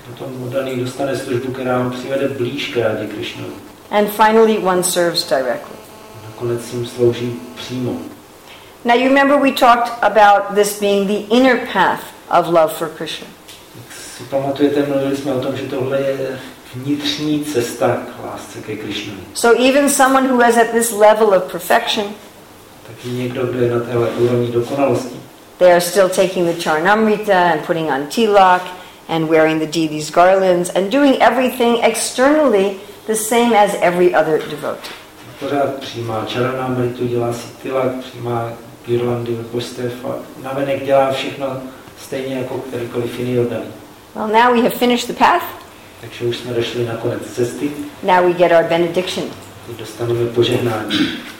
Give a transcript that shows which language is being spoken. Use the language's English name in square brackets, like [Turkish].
[Czech] Potom oddaný dostane službu, která ho přivede blíž k Radě Krishna. [English] And finally one serves directly. [Czech] Konec jim slouží přímo. [English] Now you remember we talked about this being the inner path of love for Krishna. [Czech] Tak si pamatujete, mluvili jsme o tom, že tohle je vnitřní cesta k lásce ke Krishnovi. [English] So even someone who is at this level of perfection, [Czech] tak i někdo, kdo je na téhle úrovni dokonalosti, [English] they are still taking the charnamrita and putting on tilak and wearing the deity's garlands and doing everything externally the same as every other devotee. [Czech] Pořád přijímá charanamritu, dělá si tilak, přijímá girlandy od božstev a navenek dělá všechno stejně jako kterýkoliv jiný oddaný. [English] Well, now we have finished the path. [Czech] Takže už jsme došli na konec cesty. [English] Now we get our benediction. [Czech] Teď dostaneme požehnání.